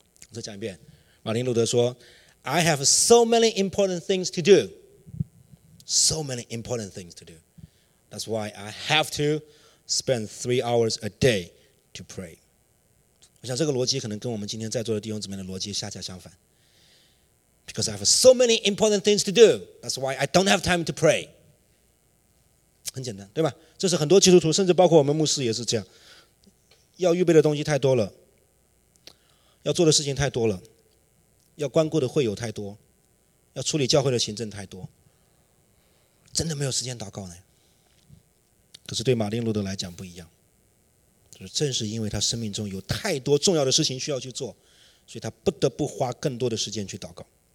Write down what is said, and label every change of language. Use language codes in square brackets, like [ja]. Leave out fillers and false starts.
[zh] 我再讲一遍，马丁路德说 [en] I have so many important things to do,So many important things to do. That's why I have to spend 3 hours a day to pray. [zh] 我想这个逻辑可能跟我们今天在座的弟兄姊妹的逻辑恰恰相反。 [en] Because I have so many important things to do. That's why I don't have time to pray. [zh] 很简单，对吧？这是很多基督徒，甚至包括我们牧师也是这样。要预备的东西太多了，要做的事情太多了，要关顾的会友太多，要处理教会的行政太多。真的没有时间祷告呢。可是对马丁路德来讲不一样，就是正是因为他生命中有太多重要的事情需要去做，所以他不得不花更多的时间去祷告。